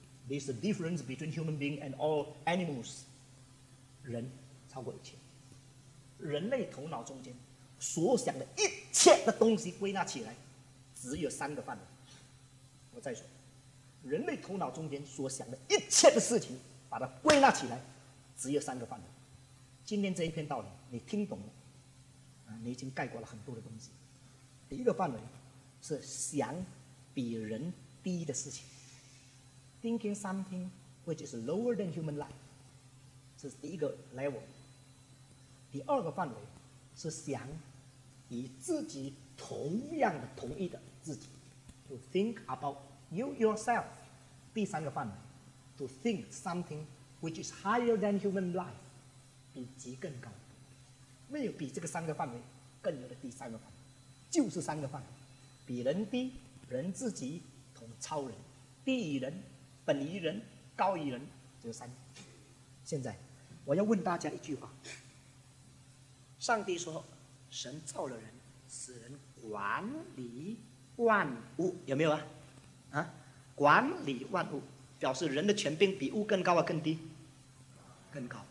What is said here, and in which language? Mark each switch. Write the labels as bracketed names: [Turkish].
[English] This is the difference between human being and all animals. [Chinese] 人超过一切。人类头脑中间所想的一切的东西归纳起来，只有三个范围。我再说，人类头脑中间所想的一切的事情，把它归纳起来，只有三个范围。今天这一篇道理你听懂了，你已经概括了很多的东西。第一个范围是想比人低的事情， [English] thinking something which is lower than human life， [Chinese] 这是第一个 level。第二个范围是想与自己同样的同一的自己， [English] to think about you yourself。 [Chinese] 第三个范围， [English] to think something which is higher than human life， [Chinese] 比极更高。没有比这个三个范围更有的第三个范围，就是三个范围，比人低，人自己同超人，低于人，本于人，高于人，这三个。现在我要问大家一句话，上帝说神造了人使人管理万物，有没有 管理万物表示人的权柄比物更高啊更低？更高。